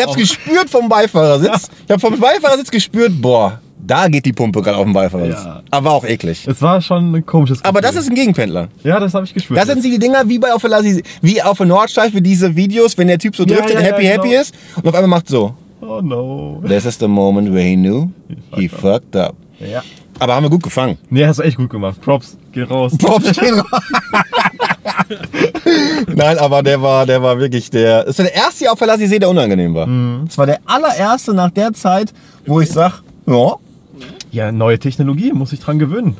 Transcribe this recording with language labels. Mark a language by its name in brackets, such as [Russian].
[German] habe es gespürt vom Beifahrersitz. Ja. Ich habe vom Beifahrersitz gespürt, boah, da geht die Pumpe gerade auf dem Beifahrersitz. Ja. Aber auch eklig. Es war schon ein komisches Gefühl. Aber das ist ein Gegenpendler. Ja, das habe ich gespürt. Das sind die Dinger wie auf der Nordschleife, diese Videos, wenn der Typ so driftet, happy ist und auf einmal macht so. [English] Oh no. This is the moment where he knew he fucked up. [German] Ja. Aber haben wir gut gefangen. Nee, hast du echt gut gemacht. Props, geh raus. Props, geh raus. Nein, aber der war wirklich der. Das war der erste Jahr auf der Lassisee, der unangenehm war. Mhm. Das war der allererste nach der Zeit, wo ich sag, ja. Ja, neue Technologie, muss ich dran gewöhnen.